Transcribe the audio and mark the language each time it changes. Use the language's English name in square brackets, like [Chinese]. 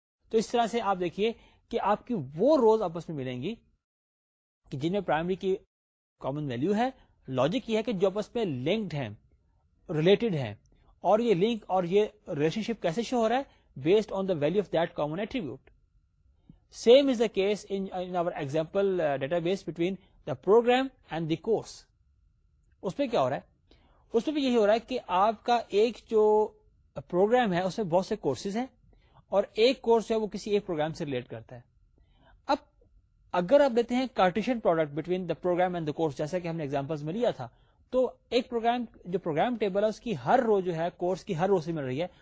[Urdu] تو اس طرح سے آپ دیکھیے کہ آپ کی وہ روز آپس میں ملیں گی کہ جن میں پرائمری کی کامن ویلیو ہے, لاجک یہ ہے کہ جو آپس میں لنکڈ ہیں, ریلیٹڈ ہیں, اور یہ لنک اور یہ ریلیشن شپ کیسے شو ہو رہا ہے, [English] Based on the value of that common attribute. Same as the case in our example database between the program and the course. [Urdu] اس میں کیا ہو رہا ہے, اس میں بھی یہی ہو رہا ہے کہ آپ کا ایک جو پروگرام ہے اس میں بہت سے کورسز ہیں, اور ایک کورس جو ہے وہ کسی ایک پروگرام سے ریلیٹ کرتا ہے. اب اگر آپ لیتے ہیں کارٹیشن product [English] between the program and the course, [Urdu] جیسا کہ ہم نے ایگزامپلس میں لیا تھا, تو ایک پروگرام جو پروگرام ٹیبل ہے اس کی ہر رو جو ہے کورس کی ہر رو سے مل رہی ہے.